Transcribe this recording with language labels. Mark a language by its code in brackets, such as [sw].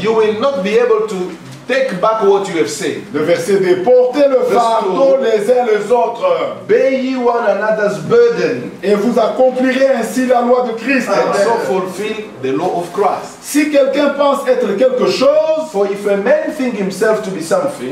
[en] You will not be able to take back what you have said. [fr] Le verset dit, portez le fardeau les uns les autres. [en] Bear ye one another's burden. [fr] Et vous accomplirez ainsi la loi de Christ. [en] And so fulfill the law of Christ. [fr] Si quelqu'un pense être quelque chose, [en] for if a man think himself to be something,